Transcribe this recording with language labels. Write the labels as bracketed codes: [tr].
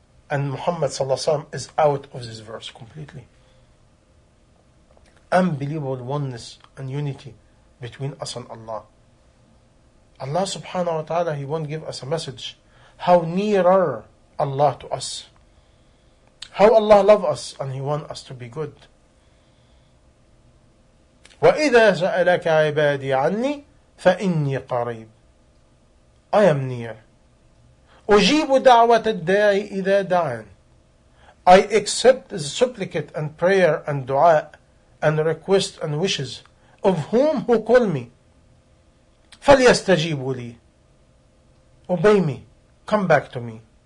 [en] And Muhammad sallallahu alayhi wa sallam is out of this verse completely. Unbelievable oneness and unity between us and Allah. Allah subhanahu wa ta'ala, He won't give us a message. How nearer Allah to us. How Allah loves us and He wants us to be good. [ar] وَإِذَا سَأَلَكَ عِبَادِي عَنِّي فَإِنِّي قَرِيبٌ [en] I am near. [ar] أُجِيبُ دَعْوَةَ الدَّاعِ إِذَا دَعَانِ [en] I accept the supplicate and prayer and dua and request and wishes of whom who call me. [ar] فَلْيَسْتَجِيبُ لِي [en] Obey me. Come back to me.